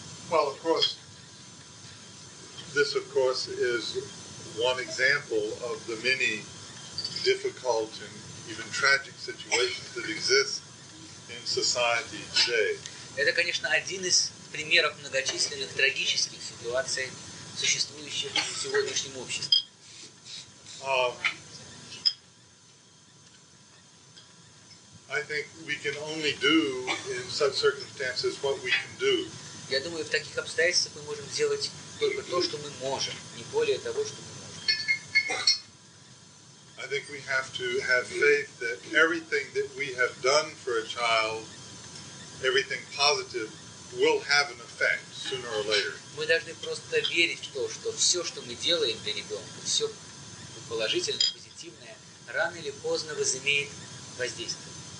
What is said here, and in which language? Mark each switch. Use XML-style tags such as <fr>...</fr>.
<en>Well, of course, this, of course, is one example of the many difficult and even tragic situations that exist in society today.</en> <ru>Это, конечно, один из примеров многочисленных трагических ситуаций, существующих в сегодняшнем обществе.</ru> <en>I think we can only do in such circumstances what we can do.</en> <ru>Я думаю, в таких обстоятельствах мы можем сделать только то, что мы можем, не более того, что мы можем.</ru> <en>I think we have to have faith that everything that we have done for a child, everything positive, will have an effect sooner or later.</en> <ru>Мы должны просто верить в то, что все, что мы делаем для ребенка, все положительное, позитивное, рано или поздно возымеет воздействие.</ru>